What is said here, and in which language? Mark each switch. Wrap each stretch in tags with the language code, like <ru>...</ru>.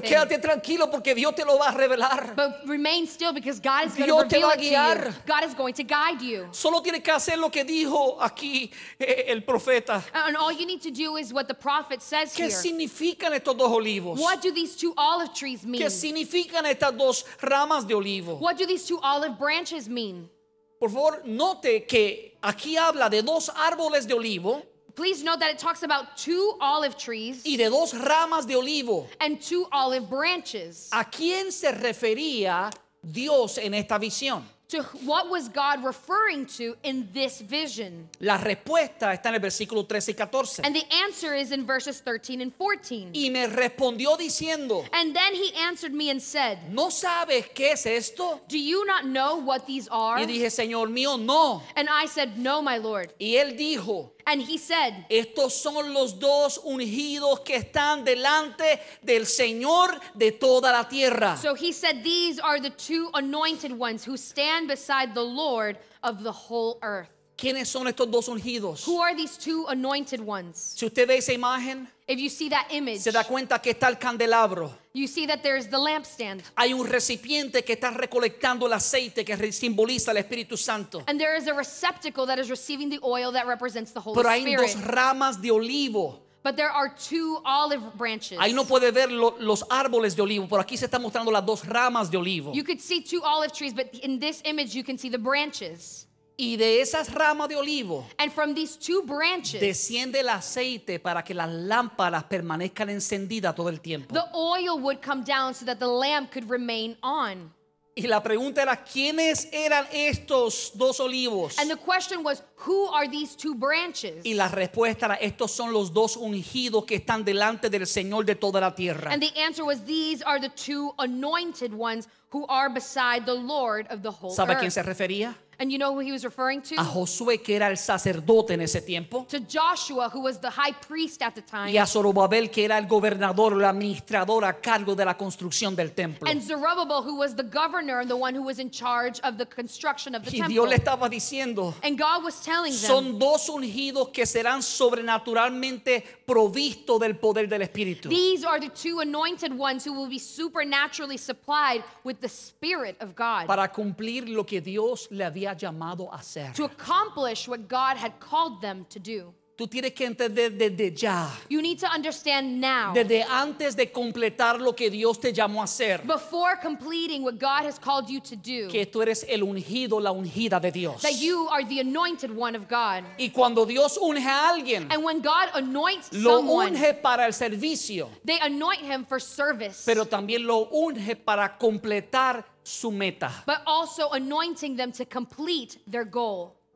<es>Pero quédate tranquilo porque Dios te lo va a revelar.</es> <en>But remain still because God is going to reveal it to you. God is going to guide you.</en> <es>Solo tienes que hacer lo que dijo aquí el profeta.</es> <en>And all you need to do is what the prophet says</en> <es>¿Qué</es> <en>here.</en> <es>¿Qué significan estos dos olivos?</es> <en>What do these two olive trees mean?</en> <es>¿Qué significan estas dos ramas de olivo?</es> <en>What do these two olive branches mean?</en> <es>Por favor, note que aquí habla de dos árboles de olivo.</es> <en>Please note that it talks about two olive trees.</en> <es>Y de dos ramas de olivo.</es> <en>And two olive branches.</en> <es>¿A quién se refería Dios en esta visión?</es> <en>to what was God referring to in this vision?</en> <es>La respuesta está en el versículo 13 y 14.</es> <en>And the answer is in verses 13 and 14.</en> <es>Y me respondió diciendo,</es> <en>and then he answered me and said,</en> <es>¿no sabes qué es esto?</es> <en>Do you not know what these are?</en> <es>Y dije, Señor mío, no.</es> <en>And I said, no, my Lord.</en> <es>Y él dijo,</es> <en>and he said,</en> <es>estos son los dos ungidos que están delante del Señor de toda la tierra.</es> <en>So he said, these are the two anointed ones who stand beside the Lord of the whole earth.</en> <es>¿Quiénes son estos dos ungidos?</es> <en>Who are these two anointed ones?</en> <es>Si usted ve esa imagen,</es> <en>if you see that image,</en> <es>se da cuenta que está el candelabro.</es> <en>You see that there is the lampstand.</en> <es>Hay un recipiente que está recolectando el aceite que simboliza el Espíritu Santo.</es> <en>And there is a receptacle that is receiving the oil that represents the Holy Spirit.</en> <es>Pero hay dos ramas de olivo.</es> <en>But there are two olive branches.</en> <es>Ahí no puede ver los árboles de olivo, pero aquí se está mostrando las dos ramas de olivo.</es> <en>You could see two olive trees, but in this image you can see the branches.</en> <es>Y de esas ramas de olivo,</es> <en>and from these two branches,</en> <es>desciende el aceite para que las lámparas permanezcan encendidas todo el tiempo.</es> <en>The oil would come down so that the lamp could remain on.</en> <es>Y la pregunta era, ¿quiénes eran estos dos olivos?</es> <en>And the question was, who are these two branches?</en> <es>Y la respuesta era, estos son los dos ungidos que están delante del Señor de toda la tierra.</es> <en>And the answer was, these are the two anointed ones who are beside the Lord of the whole</en> <es>¿sabe</es> <en>earth?</en> <es>¿A quién se refería?</es> <en>And you know who he was referring to?</en> <es>A Josué, que era el sacerdote en ese tiempo.</es> <en>To Joshua, who was the high priest at the time.</en> <es>Y a Zorobabel, que era el gobernador, el administrador a cargo de la construcción del templo.</es> <en>And Zerubbabel, who was the governor and the one who was in charge of the construction of the</en> <es>y</es> <en>temple.</en> <es>Y Dios le estaba diciendo,</es> <en>and God was telling them,</en> <es>son dos ungidos que serán sobrenaturalmente provisto del poder del Espíritu.</es> <en>These are the two anointed ones who will be supernaturally supplied with the Spirit of God.</en> <es>Para cumplir lo que Dios le había llamado a hacer.</es> <en>To accomplish what God had called them to do.</en> <es>Tú tienes que entender desde ya.</es> <en>You need to understand now.</en> <es>Desde antes de completar lo que Dios te llamó a hacer.</es> <en>Before completing what God has called you to do.</en> <es>Que tú eres el ungido, la ungida de Dios.</es> <en>That you are the anointed one of God.</en> <es>Y cuando Dios unge a alguien.</es> <en>And when God anoints someone.</en> <es>Lo unge para el servicio.</es> <en>They anoint him for service.</en> <es>Pero también lo unge para completar su meta.</es> <en>But also anointing them to complete their goal.</en>